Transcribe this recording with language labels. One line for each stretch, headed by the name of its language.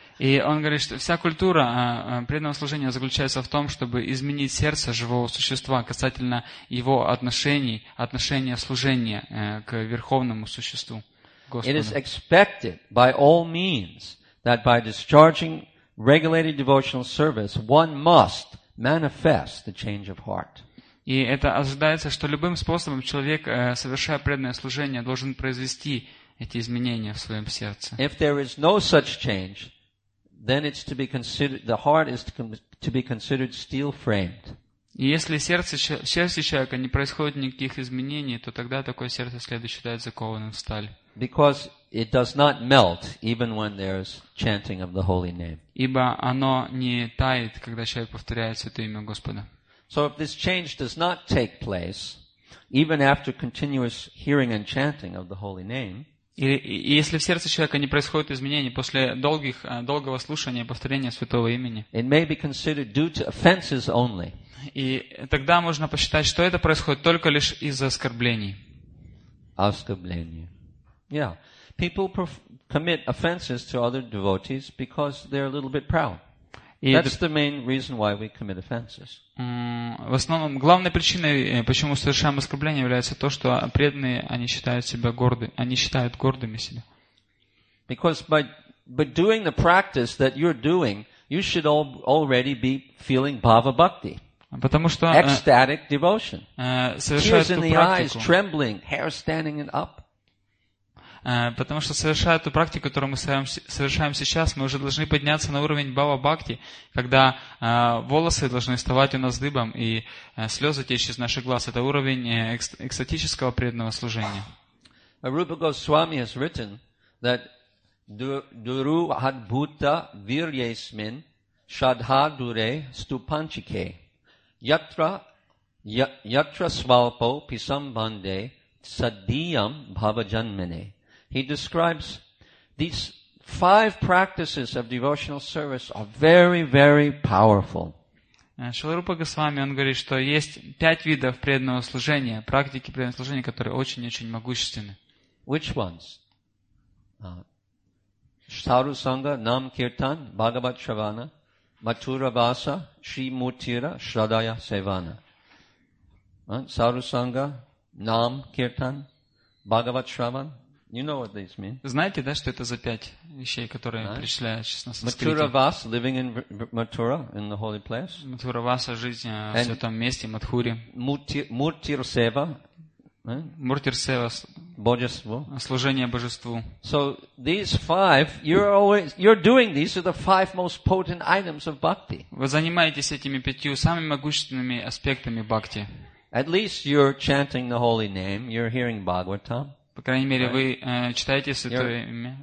Russian: И он говорит, что вся культура преданного служения заключается в том, чтобы изменить сердце живого существа касательно его отношения служения к верховному существу, Господу.
English: It is expected by all means that by discharging regulated devotional service, one must manifest the change of heart.
Russian: И это ожидается, что любым способом человек, совершая преданное служение, должен произвести эти изменения в своем сердце.
English: If there is no such change, then it's to be considered, the heart is to be considered steel framed.
Russian: И если сердце человека не происходит никаких изменений, то тогда такое сердце следует считать закованным в сталь.
English: Because it does not melt even when there is chanting of the holy name.
Russian: Ибо оно не тает, когда человек повторяет святое имя Господа.
English: So if this change does not take place even after continuous hearing and chanting of the holy name,
Russian: и если в сердце человека не происходит изменений после долгого слушания повторения святого имени,
English: it may be considered due to offenses only.
Russian: И тогда можно посчитать, что это происходит только лишь из-за оскорблений. Оскорбления.
English: Yeah. People commit offenses to other devotees because they're a little bit proud. That's the main reason why we commit offenses.
Russian: В основном, главной причиной, почему совершаем оскорбления, является то, что преданные, они считают себя гордыми, они считают гордыми себя.
English: Because by doing the practice that you're doing, you should already be feeling bhava bhakti.
Russian: Потому что
English: ecstatic devotion. Tears in the eyes, trembling, hair standing up.
Russian: Потому что, совершая ту практику, которую мы совершаем сейчас, мы уже должны подняться на уровень бхава-бхакти, когда волосы должны вставать у нас дыбом и слезы течь из наших глаз. Это уровень экстатического преданного служения.
English: Rupa Goswami has written that
Sanskrit: duru adbhuta viryesmin shadhadure stupanchike yatra svalpo pisambande saddiyam bhava janmane.
English: He describes these Five practices of devotional service are very, very powerful.
Russian: Шрила Рупа Госвами, он говорит, что есть пять видов преданного служения, практики преданного служения, которые очень-очень могущественны.
English: Which ones?
Sanskrit: Штару Санга, Нам Киртан, Бхагават Шравана, Матура Васа, Шри Мутира, Шрадая Севана. Сару Санга, Нам Киртан, Бхагават Шраван.
English: You know what these mean?
Russian: Знаете, да, что это за пять вещей, которые перечисляют сейчас на санскрите?
English: Матура Васа, living in Матура, in the holy place.
Russian: Матура Васа, жизнь в святом месте, Матхуре.
Sanskrit: Муртир Сева. Муртир Сева,
Russian: Божеству. Служение Божеству.
English: So these five, you're doing these are the five most potent items of bhakti.
Russian: Вы занимаетесь этими пятью самыми могущественными аспектами бхакти.
English: At least you're chanting the holy name, you're hearing Bhagavatam.
Russian: По крайней мере, вы читаете святое имя.